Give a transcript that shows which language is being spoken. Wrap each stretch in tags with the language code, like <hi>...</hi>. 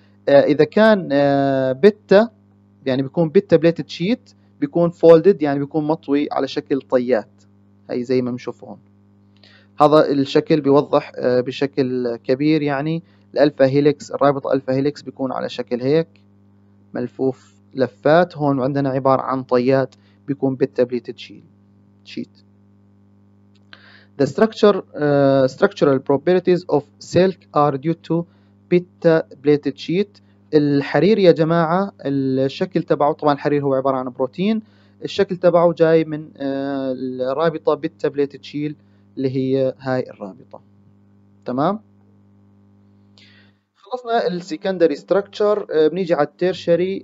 <ar>اذا كان بيتا يعني بيكون بيتا بليتد شيت، بيكون فولدد يعني بيكون مطوي على شكل طيات، هاي زي ما بنشوفه هون. هذا الشكل بيوضح بشكل كبير يعني الالفا هيليكس، الرابط الفا هيليكس بيكون على شكل هيك ملفوف لفات، هون عندنا عبارة عن طيات بيكون بيتا بليتد شيت.</ar> <en>The structural properties of silk are due to beta plated sheet.</en> <ar>الحرير يا جماعة الشكل تبعه، طبعا الحرير هو عبارة عن بروتين، الشكل تبعه جاي من الرابطة beta plated sheet اللي هي هاي الرابطة. تمام، خلصنا السيكندري ستراكشر، بنيجي على التيرشري.</ar>